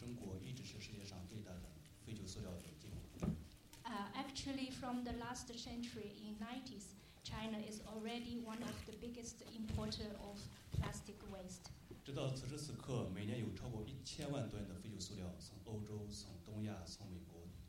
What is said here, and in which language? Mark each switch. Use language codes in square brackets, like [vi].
[zh] 事实上，从上世纪九十年代开始，中国一直是世界上最大的废旧塑料的进口。 [en] Actually, from the last century in 90s, China is already one of the biggest importer of plastic waste. [zh] 直到此时此刻，每年有超过1000万吨的废旧塑料从欧洲、从东亚、从美国。